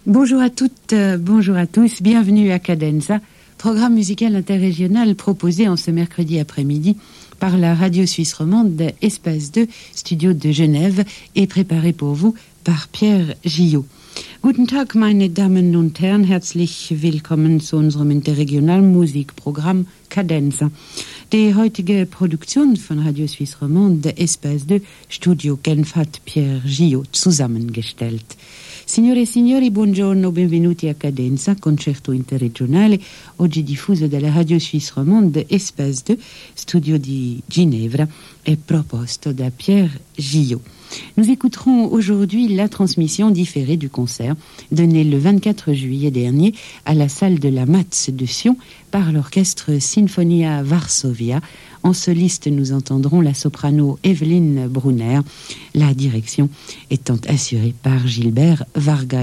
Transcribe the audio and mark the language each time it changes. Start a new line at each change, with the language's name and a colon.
French: Bonjour à toutes, bonjour à tous, bienvenue à Cadenza, programme musical interrégional proposé en ce mercredi après-midi par la radio suisse romande Espace 2, studio de Genève, et préparé pour vous par Pierre Gillot.
German: Guten Tag, meine Damen und Herren, herzlich willkommen zu unserem interregionalen Musikprogramm Cadenza. Die heutige Produktion von Radio Suisse Romande Espace 2, Studio Genf, hat Pierre Gillot zusammengestellt.
Italian: Signore e signori, buongiorno, benvenuti a Cadenza, concerto interregionale, oggi diffuso dalla Radio Suisse Romande Espace 2, studio di Ginevra, e proposto da Pierre Gillot.
French: Nous écouterons aujourd'hui la transmission différée du concert donné le 24 juillet dernier à la salle de la Matz de Sion par l'orchestre Sinfonia Varsovia. En soliste, nous entendrons la soprano Evelyne Brunner. La direction étant assurée par Gilbert Varga.